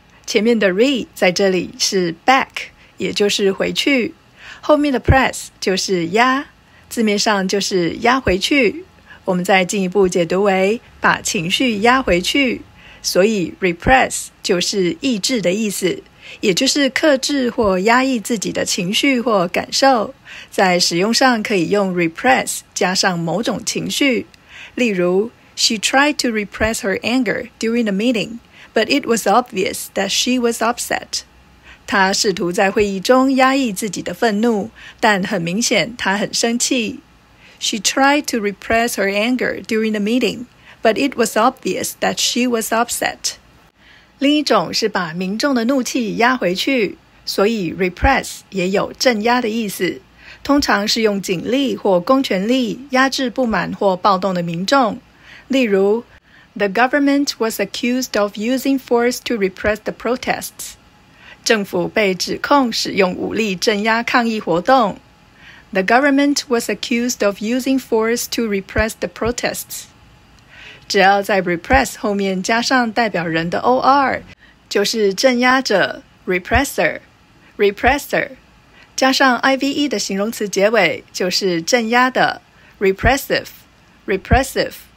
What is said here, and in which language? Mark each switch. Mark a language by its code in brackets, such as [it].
[zh] 前面的 re 在这里是 back, 也就是回去，后面的 press 就是压，字面上就是压回去，我们再进一步解读为把情绪压回去，所以 repress 就是抑制的意思，也就是克制或压抑自己的情绪或感受。在使用上可以用 repress 加上某种情绪，例如 [en] She tried to repress her anger during the meeting, but it was obvious that she was upset. [zh] 她试图在会议中压抑自己的愤怒，但很明显她很生气。 [en] She tried to repress her anger during the meeting, but it was obvious that she was upset. [zh] 另一种是把民众的怒气压回去，所以 repress 也有镇压的意思，通常是用警力或公权力压制不满或暴动的民众。 [en] 例如 The government was accused of using force to repress the protests. [zh] 政府被指控使用武力镇压抗议活动。 [en] The government was accused of using force to repress the protests. [zh] 只要在 repress 后面加上代表人的 OR, 就是镇压者 repressor, repressor, 加上 IVE 的形容词结尾就是镇压的 repressive, repressive。